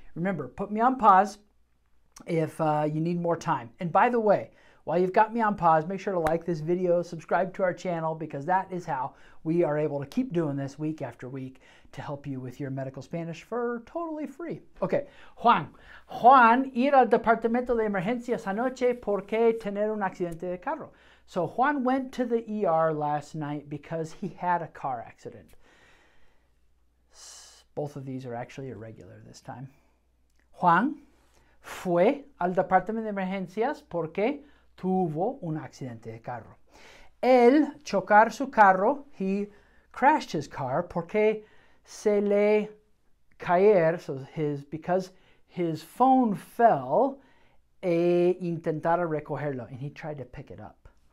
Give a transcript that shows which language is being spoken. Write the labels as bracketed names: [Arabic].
[English] Remember, put me on pause if you need more time. And by the way, while you've got me on pause, make sure to like this video, subscribe to our channel, because that is how we are able to keep doing this week after week to help you with your medical Spanish for totally free. Okay, Juan. [Spanish] Juan, ir al departamento de emergencias anoche porque tener un accidente de carro. [English] So Juan went to the ER last night because he had a car accident. Both of these are actually irregular this time. [Spanish] Juan fue al departamento de emergencias porque tuvo un accidente de carro. [English] El chocar su carro, he crashed his car porque se le caer, so his, because his phone fell e intentara recogerlo, and he tried to pick it up.